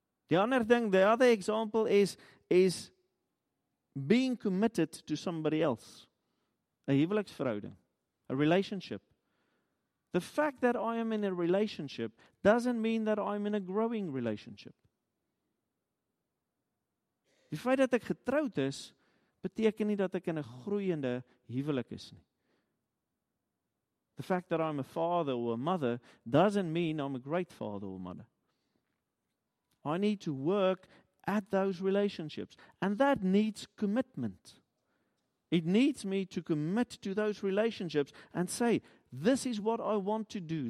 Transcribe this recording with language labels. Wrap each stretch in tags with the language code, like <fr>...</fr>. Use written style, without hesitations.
<af>Die ander ding,</af> <en>the other example is being committed to somebody else.</en> <af>'N huweliksverhouding,</af> <en>a relationship. The fact that I am in a relationship doesn't mean that I'm in a growing relationship.</en> <af>Die feit dat ek getroud is, beteken nie dat ek in 'n groeiende huwelik is nie.</af> <en>The fact that I'm a father or a mother doesn't mean I'm a great father or mother. I need to work at those relationships. And that needs commitment. It needs me to commit to those relationships and say, this is what I want to do.</en>